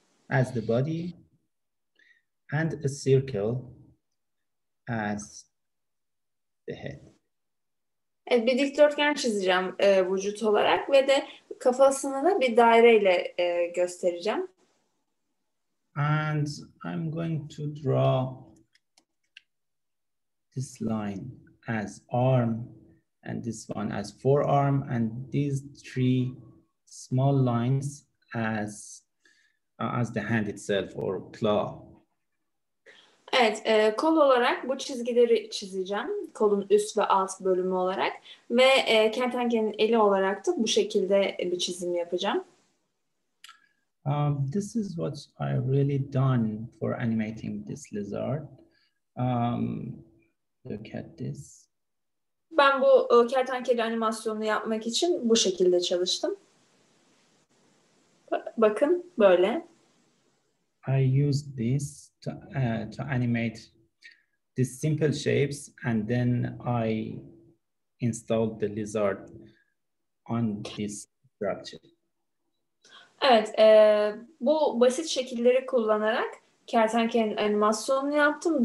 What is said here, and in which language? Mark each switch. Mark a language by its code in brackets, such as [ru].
[en] As the body and a circle as the head. [tr] Evet, bir dikdörtgen çizeceğim vücut olarak ve de kafasını da bir daireyle göstereceğim. [en] And I'm going to draw this line as arm, and this one as forearm, and these three small lines as the hand itself or claw. [tr] Evet, kol olarak bu çizgileri çizeceğim, kolun üst ve alt bölümü olarak ve kertenkelenin eli olarak da bu şekilde bir çizim yapacağım. [en] This is what I really done for animating this lizard. Look at this. [tr] Ben bu kertenkele animasyonunu yapmak için bu şekilde çalıştım. Bakın böyle. [en] I used this to animate these simple shapes, and then I installed the lizard on this structure. [tr] Evet, bu basit şekilleri kullanarak kertenkelenin animasyonunu yaptım.